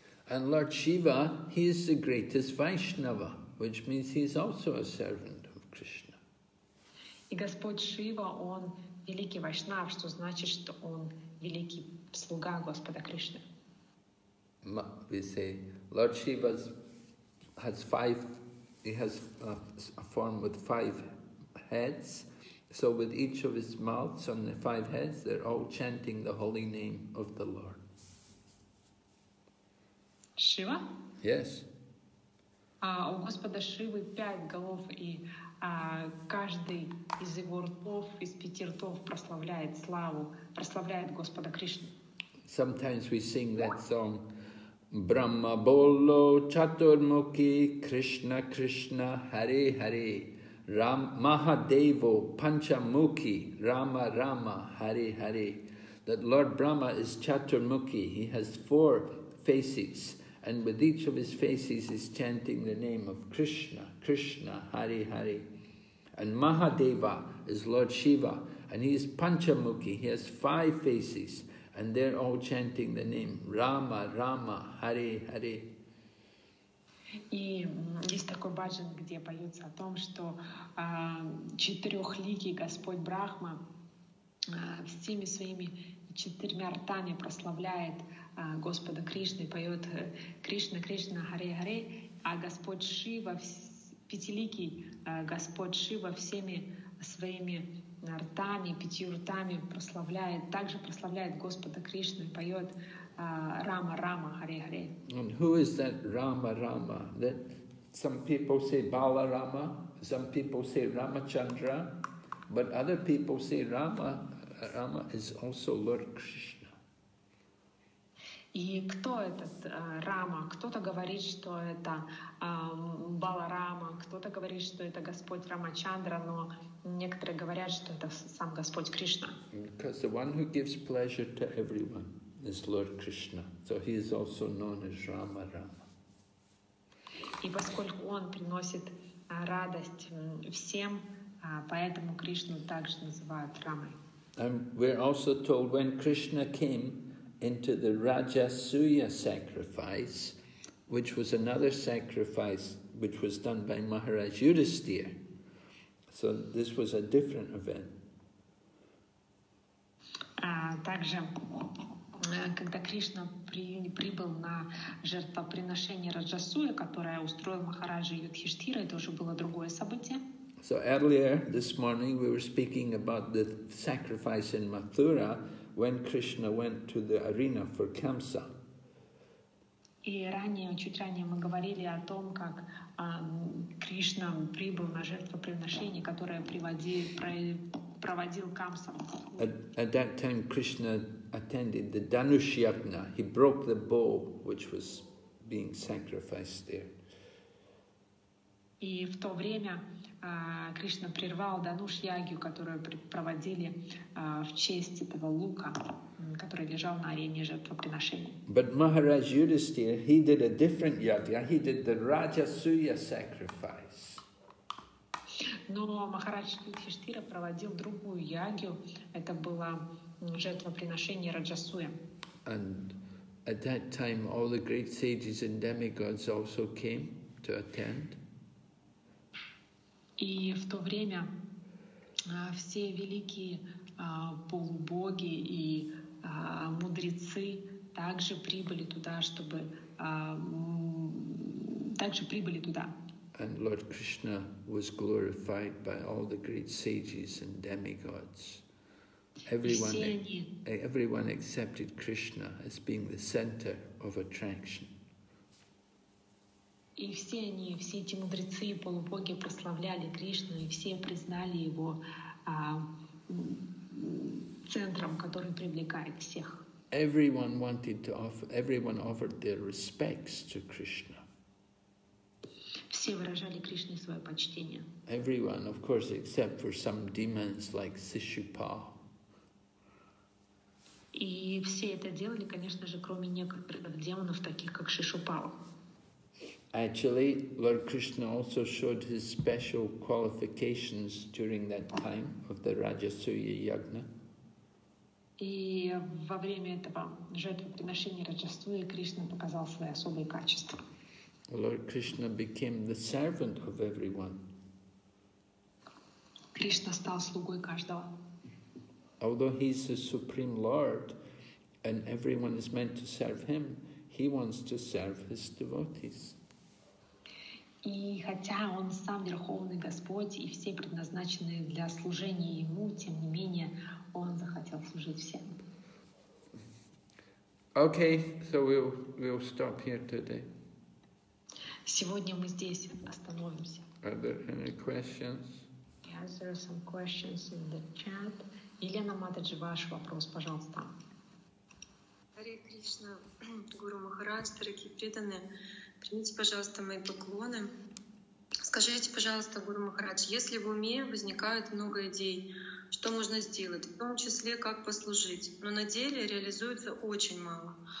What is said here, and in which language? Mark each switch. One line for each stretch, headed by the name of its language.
English: And Lord Shiva, he is the greatest Vaishnava, which means he is also a servant of Krishna.
Russian: И Господь Шива, он великий Вайшнав, что значит, что он великий слуга Господа Кришны.
English: We say Lord Shiva has five. He has a form with five heads. So with each of his mouths on the five heads, they're all chanting the holy name of the Lord.
Russian: Шива?
English: Yes.
Russian: У Господа Шивы пять голов, и каждый из его ртов, из пяти ртов, прославляет славу, прославляет Господа Кришну.
English: Sometimes we sing that song.
Sanskrit: Brahma Bolo Chaturmukhi Krishna Krishna Hare Hare
English: Ram Mahadevo Panchamukhi Rama Rama Hare Hare. That Lord Brahma is Chaturmukhi. He has four faces. And with each of his faces is chanting the name of Krishna, Krishna, Hari Hari. And Mahadeva is Lord Shiva, and he is Panchamukhi, he has five faces, and they're all chanting the name Rama, Rama, Hari Hari.
Russian: И есть такой баджан, где поется о том, что четырехликий Господь Брахма всеми своими четырьмя ртами прославляет Господа Кришны, поет Кришна, Кришна, Харе, Харе, а Господь Шива, пятиликий Господь Шива всеми своими ртами, пятью ртами прославляет, также прославляет Господа Кришну и поет Рама, Рама, Харе, Харе.
English: And who is that Рама, Рама? That some people say Баларама, some people say Рамачандра, but other people say Рама. Рама is also Lord Krishna.
Russian: И кто этот Рама? Кто-то говорит, что это Баларама, кто-то говорит, что это Господь Рамачандра, но некоторые говорят, что это сам Господь Кришна.
English: Because the one who gives pleasure to everyone is Lord Krishna. So he is also known as Rama Rama.
Russian: И поскольку он приносит радость всем, поэтому Кришну также называют Рамой.
English: And we're also told when Krishna came into the Rajasuya sacrifice, which was another sacrifice which was done by Maharaj Yudhisthira. So this was a different event.
Russian: Также, когда Кришна прибыл на жертвоприношение Раджасуя, которое устроил Махараджа Юдхиштхира, это уже было другое событие.
English: So earlier this morning we were speaking about the sacrifice in Mathura when Krishna went to the arena for Kamsa.
Russian: И ранее, чуть ранее мы говорили о том, как Кришна прибыл на жертвоприношение, которое проводил Камса.
English: At that time Krishna attended the Dhanush Yagna. He broke the bow which was being sacrificed there.
Russian: И в то время Кришна прервал Дануш Ягью, которую проводили в честь этого лука, который лежал на арене жертвоприношения.
English: But Maharaj Yudhisthira, he did a different yagya. He did the Rajasuya sacrifice.
Russian: Но Махарадж Юдхиштхира проводил другую ягью. Это было жертвоприношение Раджасуя.
English: And at that time all the great sages and demigods also came to attend.
Russian: И в то время все великие полубоги и мудрецы также прибыли туда, чтобы также прибыли туда.
English: And Lord Krishna was glorified by all the great sages and demigods. Everyone accepted Krishna as being the center of attraction.
Russian: И все они, все эти мудрецы и полубоги прославляли Кришну, и все признали его центром, который привлекает всех.
English: Everyone offered their respects to Krishna.
Russian: Все выражали Кришне свое почтение.
English: Everyone, of course, except for some demons like Сишупал.
Russian: И все это делали, конечно же, кроме некоторых демонов, таких как Шишупал.
English: Actually, Lord Krishna also showed his special qualifications during that time of the Rajasuya Yagna.
Russian: И во время этого жертвоприношения Раджасуи Кришна показал свои особые качества.
English: Lord Krishna became the servant of everyone.
Russian: Кришна стал слугой каждого.
English: Although he's the Supreme Lord and everyone is meant to serve him, he wants to serve his devotees.
Russian: И хотя он сам Верховный Господь, и все предназначены для служения ему, тем не менее, он захотел служить всем.
English: Okay, so we'll stop here today.
Russian: Сегодня мы здесь остановимся.
English: Are there any questions? Yes, there are some questions in the chat.
Russian: Елена Матаджи, ваш вопрос, пожалуйста. Харе Кришна, Гуру Махарадж, дорогие преданные, примите, пожалуйста, мои поклоны. Скажите, пожалуйста, Гуру Махарадж, если в уме возникает много идей, что можно сделать, в том числе как послужить, но на деле реализуется очень мало.